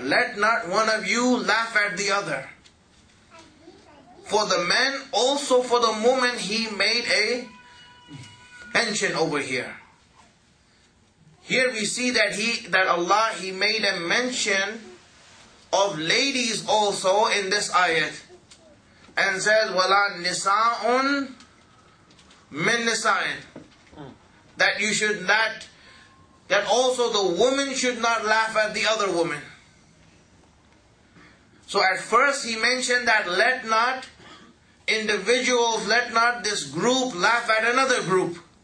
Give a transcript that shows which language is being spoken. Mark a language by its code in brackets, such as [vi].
[en] Let not one of you laugh at the other. For the man, also for the woman, he made a mention over here. Here we see that Allah made a mention of ladies also in this ayat. And says, [ar] وَلَا نِسَاءٌ مِن نِسَاءٍ. [en] That you should not, that also the woman should not laugh at the other woman. So at first he mentioned that let not individuals, let not this group laugh at another group.